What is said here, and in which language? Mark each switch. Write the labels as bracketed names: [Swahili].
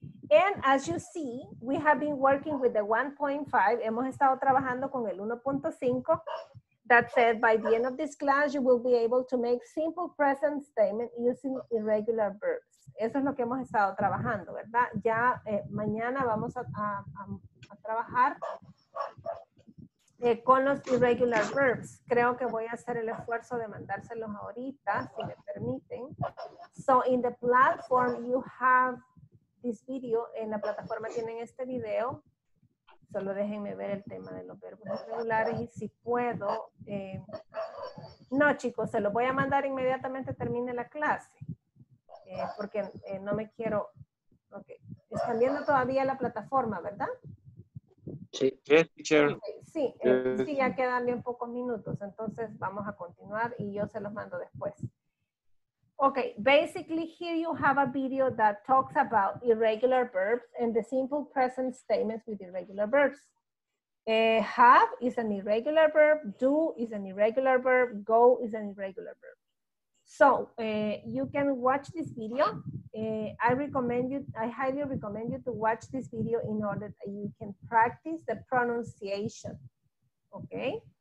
[English] And as you see, we have been working with the 1.5. [Spanish] Hemos estado trabajando con el 1.5. [English] That said, by the end of this class, you will be able to make simple present statement using irregular verbs. [Spanish] Eso es lo que hemos estado trabajando, ¿verdad? Ya mañana vamos a trabajar con los irregular verbs. Creo que voy a hacer el esfuerzo de mandárselos ahorita, si me permiten. [English] So, in the platform, you have this video, [Spanish] en la plataforma tienen este video, solo déjenme ver el tema de los verbos irregulares y si puedo, no chicos, se los voy a mandar inmediatamente termine la clase, porque no me quiero, ok, están viendo todavía la plataforma, ¿verdad? Sí, teacher. Sí, sí, ya quedan bien pocos minutos, entonces vamos a continuar y yo se los mando después. [English] Okay, basically here you have a video that talks about irregular verbs and the simple present statements with irregular verbs. Have is an irregular verb, do is an irregular verb, go is an irregular verb. So you can watch this video. I highly recommend you to watch this video in order that you can practice the pronunciation, okay?